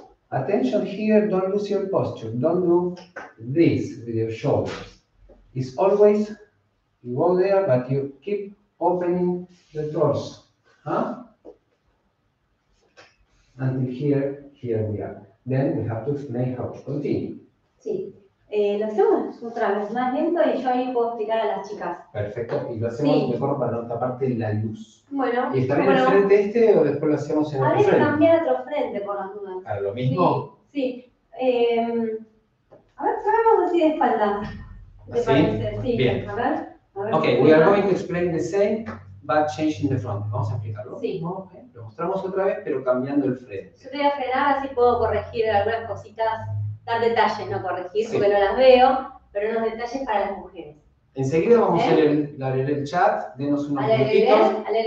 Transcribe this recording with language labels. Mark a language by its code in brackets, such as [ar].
[en] Attention here, don't lose your posture. Don't do this with your shoulders. It's always, you go there, but you keep opening the torso. And here we are. Then we have to explain how to continue. [es] Sí, lo hacemos otra vez más lento y yo ahí puedo explicar a las chicas. Perfecto, y lo hacemos mejor para otra parte de la luz. Bueno, ¿y estar en el frente este o después lo hacemos en otro frente? A ver, cambiar otro frente por las dudas. ¿A lo mismo? Sí, sí. A ver, cerramos así de espalda. ¿Te parece? Sí, bien. A ver. [en] Ok, we are going to explain the same, but changing the front. [es] Vamos a explicarlo. Sí. Okay. Lo mostramos otra vez, pero cambiando el frente. Yo te voy a frenar, así puedo corregir algunas cositas. Dar detalles, no corregir, sí, porque no las veo, pero unos detalles para las mujeres. Enseguida vamos a leer el chat, denos unos minutitos.